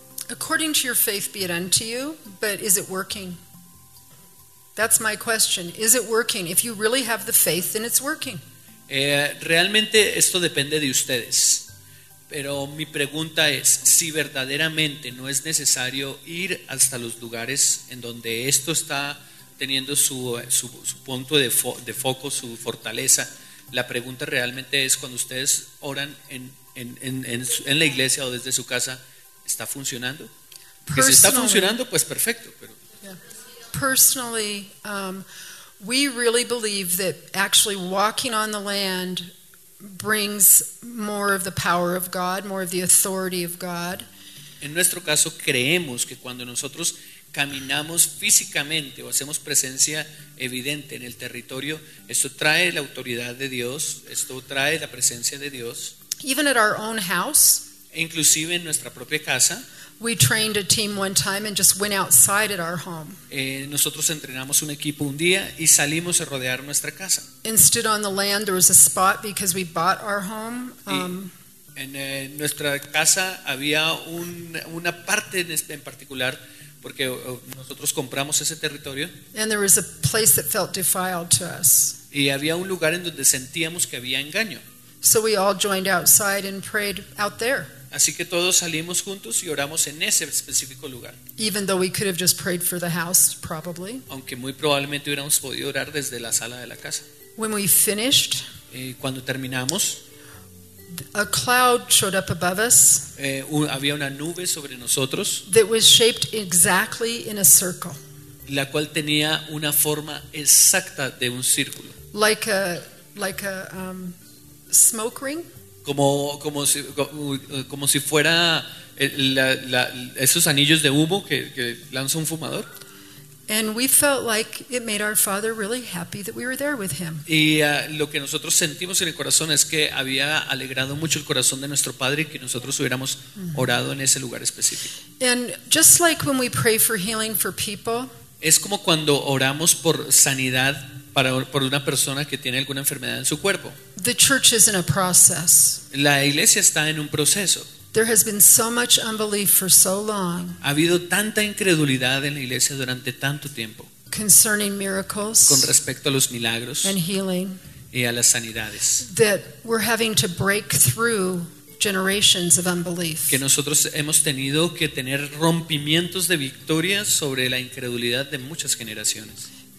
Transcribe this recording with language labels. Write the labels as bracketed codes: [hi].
[en] According to your faith be it unto you, but is it working? That's my question. Is it working? If you really have the faith, then it's working. [es] Realmente esto depende de ustedes. Pero mi pregunta es, si verdaderamente no es necesario ir hasta los lugares en donde esto está teniendo su punto de foco, su fortaleza, la pregunta realmente es cuando ustedes oran en la iglesia o desde su casa, ¿está funcionando? Porque si está funcionando, pues perfecto, pero [en] personally, we really believe that actually walking on the land brings more of the power of God, more of the authority of God. [es] En nuestro caso, creemos que cuando nosotros caminamos físicamente o hacemos presencia evidente en el territorio, esto trae la autoridad de Dios, esto trae la presencia de Dios. [en] Even at our own house, [es] inclusive en nuestra propia casa, [en] we trained a team one time and just went outside at our home. [es] Nosotros entrenamos un equipo un día y salimos a rodear nuestra casa. [en] And stood on the land, there was a spot because we bought our home. [es] En nuestra casa había una parte en particular porque nosotros compramos ese territorio. [en] And there was a place that felt defiled to us. [es] Y había un lugar en donde sentíamos que había engaño. [en] So we all joined outside and prayed out there. [es] Así que todos salimos juntos y oramos en ese específico lugar. [en] Even though we could have just prayed for the house, probably. [es] Aunque muy probablemente hubiéramos podido orar desde la sala de la casa. [en] When we finished, [es] cuando terminamos, [en] a cloud showed up above us. [es] Había una nube sobre nosotros. [en] That was shaped exactly in a circle. [es] La cual tenía una forma exacta de un círculo. [en] Like a smoke ring. [es] Como si fuera esos anillos de humo que lanza un fumador. [en] And we felt like it made our father really happy that we were there with him. [es] Y lo que nosotros sentimos en el corazón es que había alegrado mucho el corazón de nuestro padre que nosotros hubiéramos orado en ese lugar específico. [en] And just like when we pray for healing for people, [es] es como cuando oramos por sanidad por una persona que tiene alguna enfermedad en su cuerpo. [en] The church is in a process. [es] La iglesia está en un proceso. [en] There has been so much unbelief for so long. [es] Ha habido tanta incredulidad en la iglesia durante tanto tiempo. [en] Concerning miracles. [es] Con respecto a los milagros. [en] And healing. [es] Y a las sanidades. [en] That we're having to break through generations of unbelief. [es] Que nosotros hemos tenido que tener rompimientos de victoria sobre la incredulidad de muchas generaciones.